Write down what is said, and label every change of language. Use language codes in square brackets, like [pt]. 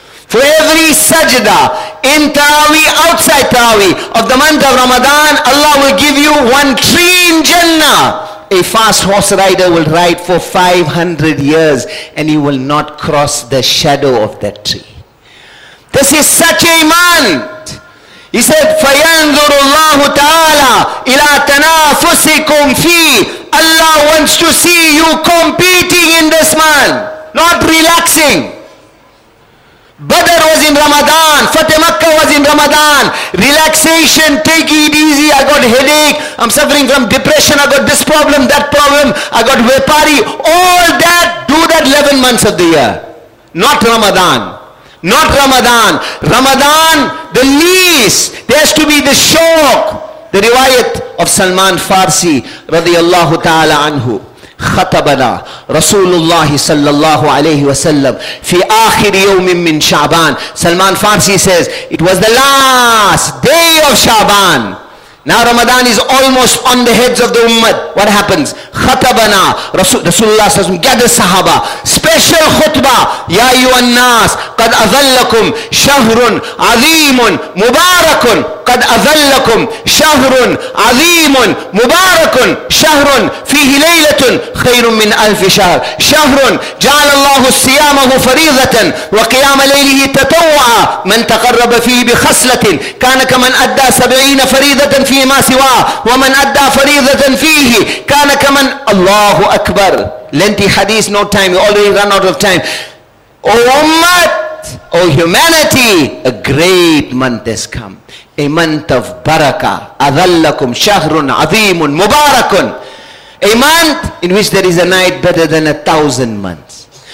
[en] For every sajda, in taraweeh, outside taraweeh, of the month of Ramadan, Allah will give you one tree in Jannah. A fast horse rider will ride for 500 years and he will not cross the shadow of that tree. This is such a month. He said, [ar] فَيَنْظُرُ اللَّهُ تَعَالَىٰ إِلَىٰ تَنَافُسِكُمْ فِي. [en] Allah wants to see you competing in this month, not relaxing. Badr was in Ramadan, Fateh Makkah was in Ramadan. Relaxation, take it easy, I got headache, I'm suffering from depression, I got this problem, that problem, I got wepari. All that, do that 11 months of the year. Not Ramadan. Not Ramadan. Ramadan, the least, there has to be the shock. The riwayat of Salman Farsi, radiyallahu ta'ala anhu. [ar] خطبنا رسول الله صلى الله عليه وسلم في آخر يوم من شعبان. [en] Salman Farsi says, it was the last day of Shaban. Now Ramadan is almost on the heads of the Ummah. What happens? خطبنا Rasulullah says, gather Sahaba, special khutbah. [ar] يا أيها الناس قد أظلكم شهر عظيم مبارك. قد أظلكم شهر عظيم مبارك شهر فيه ليلة خير من ألف شهر شهر جعل الله صيامه فريضة وقيام ليله تطوعا من تقرب فيه بخصلة كان كمن أدى 70 فريضة فيما سواه ومن أدى فريضة فيه كان كمن الله أكبر. [en] Lengthy hadith, no time, you already run out of time. Oh Ummah, oh humanity, a great month has come. A month of barakah. [ar] Adhallakum shahrun azeemun mubarakun. [en] A month in which there is a night better than 1,000 months.